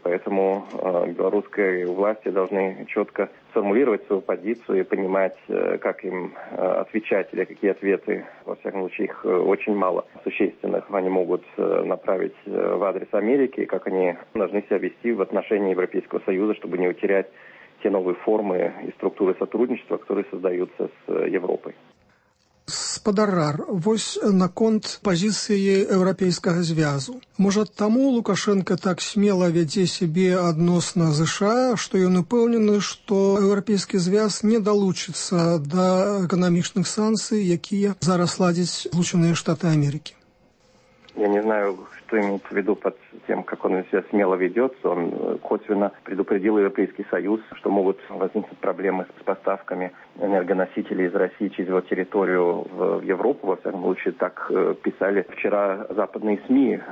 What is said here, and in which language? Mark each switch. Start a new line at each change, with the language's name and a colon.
Russian: Поэтому белорусские власти должны четко сформулировать свою позицию и понимать, как им отвечать или какие ответы, во всяком случае, их очень мало существенных они могут направить в адрес Америки, как они должны себя вести в отношении Европейского Союза, чтобы не утерять те новые формы и структуры сотрудничества, которые создаются с Европой.
Belarusian: Спадарар, вось наконт пазіцыі еўрапейскага звязу. Можа, таму Лукашэнка так смела вядзе сябе адносна ЗША, што ён упэўнены, што еўрапейскі звяз не далучыцца да эканамічных санкцый, якія зараз ладзяць Злучаныя Штаты Амерыкі?
Russian: Я не знаю, что имеет в виду под тем, как он себя смело ведет. Он косвенно предупредил Европейский Союз, что могут возникнуть проблемы с поставками энергоносителей из России через его территорию в Европу. Во всяком случае, так писали вчера западные СМИ.